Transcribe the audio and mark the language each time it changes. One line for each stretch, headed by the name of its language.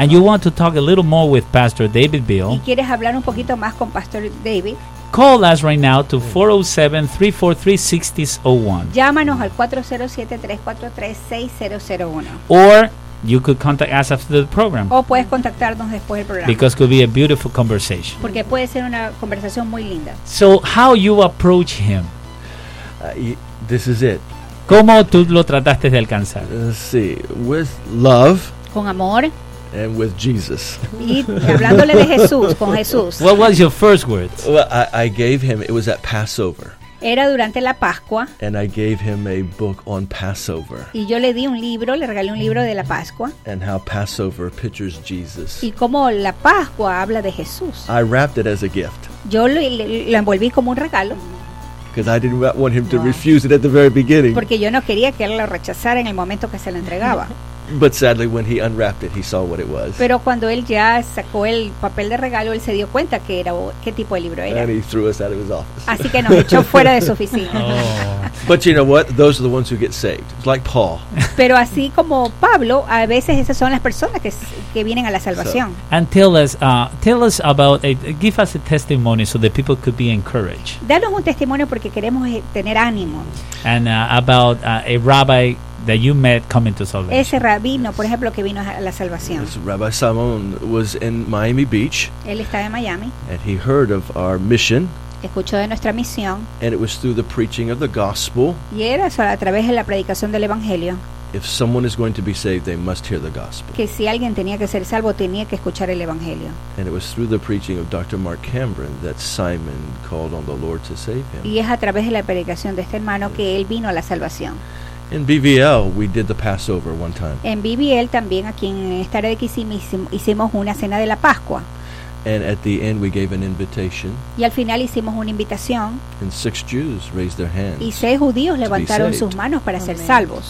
English: And you want to talk a little more with Pastor David Beal.
Spanish: Y quieres hablar un poquito más con Pastor David.
English: Call us right now to 407-343-6001.
Spanish: Llámanos al 407-343-6001.
English: Or you could contact us after the program.
Spanish: O puedes contactarnos después del programa.
English: Because it could be a beautiful conversation.
Spanish: Porque puede ser una conversación muy linda.
English: So how you approach him? This is it.
Spanish: ¿Cómo tú lo trataste de alcanzar?
English: Sí, with love.
Spanish: Con amor.
English: And with Jesus.
Spanish: Y hablándole de Jesús, con Jesús.
English: What was your first words? Well, I gave him, it was at Passover.
Spanish: Era durante la Pascua.
English: And I gave him a book on Passover.
Spanish: Y yo le di un libro, le regalé un libro de la Pascua.
English: And how Passover pictures Jesus.
Spanish: Y cómo la Pascua habla de Jesús.
English: I wrapped it as a gift.
Spanish: Yo lo envolví como un regalo.
English: Because I didn't want him to refuse it at the very beginning.
Spanish: Porque yo no quería que él lo rechazara en el momento que se lo entregaba.
English: But sadly, when he unwrapped it, he saw what it was.
Spanish: Pero cuando él ya sacó el papel de regalo, él se dio cuenta qué tipo de libro era.
English: And he threw us out of his office.
Spanish: Así que nos echó fuera de su oficina.
English: Oh. But you know what? Those are the ones who get saved. It's like Paul.
Spanish: Pero así como Pablo, a veces esas son las personas que vienen a la salvación.
English: So, and tell us about it. Give us a testimony so that people could be encouraged.
Spanish: Danos un testimonio porque queremos tener ánimo.
English: And about a rabbi that you met coming to salvation.
Spanish: Ese rabino, por ejemplo, que vino a la salvación.
English: Rabbi Simon was in Miami Beach.
Spanish: Él estaba en Miami.
English: And he heard of our mission.
Spanish: Escuchó de nuestra misión.
English: And it was through the preaching of the gospel.
Spanish: Y era solo a través de la predicación del evangelio.
English: If someone is going to be saved, they must hear the gospel.
Spanish: Que si alguien tenía que ser salvo, tenía que escuchar el evangelio.
English: And it was through the preaching of Dr. Mark Cameron that Simon called on the Lord to save him.
Spanish: Y es a través de la predicación de este hermano que él vino a la salvación.
English: In BVL, we did the Passover one time.
Spanish: En BVL también aquí en esta área de Kissimmee hicimos una cena de la Pascua.
English: And at the end, we gave an invitation.
Spanish: Y al final hicimos una invitación.
English: And 6 Jews raised their hands.
Spanish: Y 6 judíos levantaron sus manos para ser salvos.